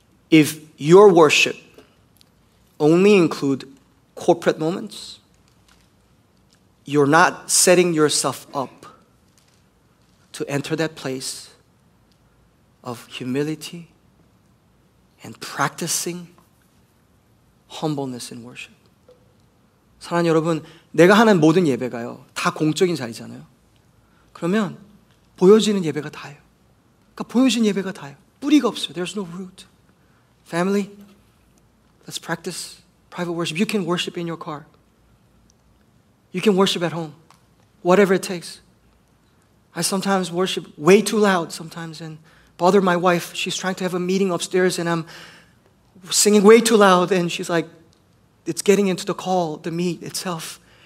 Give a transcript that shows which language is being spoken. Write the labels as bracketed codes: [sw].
[en] If your worship only include corporate moments, you're not setting yourself up to enter that place of humility and practicing humbleness in worship. [ko] 사랑하는 여러분, 내가 하는 모든 예배가요, 다 공적인 자리잖아요. 그러면 보여지는 예배가 다예요. 그러니까 보여진 예배가 다예요. 뿌리가 없어요. [en] There's no root. Family, let's practice private worship. You can worship in your car. You can worship at home. whatever it takes. I sometimes worship way too loud sometimes and bother my wife. She's trying to have a meeting upstairs and I'm singing way too loud and she's like, it's getting into the call, the meet itself.